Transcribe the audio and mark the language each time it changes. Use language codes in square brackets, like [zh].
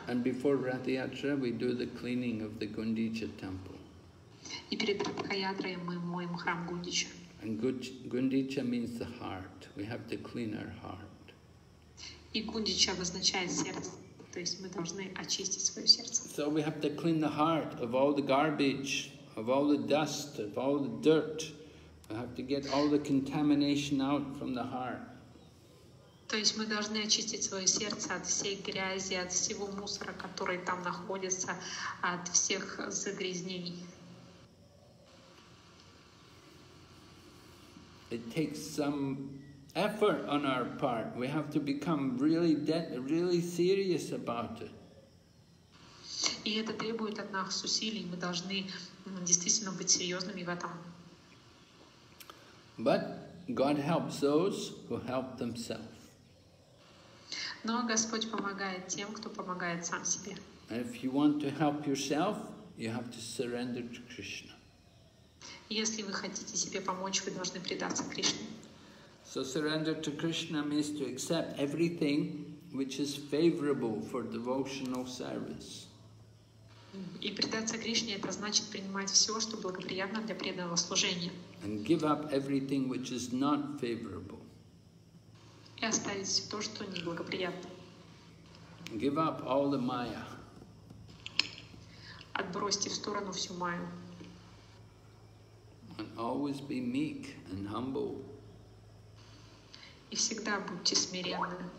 [en] And before Ratha-yatra, we do the cleaning of the Gundicha temple. [ru] И перед Ратха-ятрой мы моем храм Гундича. [en] And Gundicha means the heart. We have to clean our heart. [ru] И Гундича обозначает сердце. То есть мы должны очистить свое сердце. [en] So we have to clean the heart of all the garbage, of all the dust, of all the dirt. We have to get all the contamination out from the heart. [ru] То есть мы должны очистить свое сердце от всей грязи, от всего мусора, который там находится, от всех загрязнений. [en] It takes some effort on our part. We have to become really, really serious about it. [ru] И это требует от нас усилий. Мы должны действительно быть серьезными в этом. [en] But God helps those who help themselves. [ru] Но Господь помогает тем, кто помогает сам себе. [en] If you want to help yourself, you have to surrender to Krishna. [ru] Если вы хотите себе помочь, вы должны предаться Кришне. [en] So surrender to Krishna means to accept everything which is favorable for devotional service. [ru] И предаться Кришне это значит принимать все, что благоприятно для преданного служения. [en] And give up everything which is not favorable. [ru] И оставить все то, что неблагоприятно. [en] Give up all the maya. [ru] Отбросьте в сторону всю майю. [en] And always be meek and humble. [ru] И всегда будьте смиренны.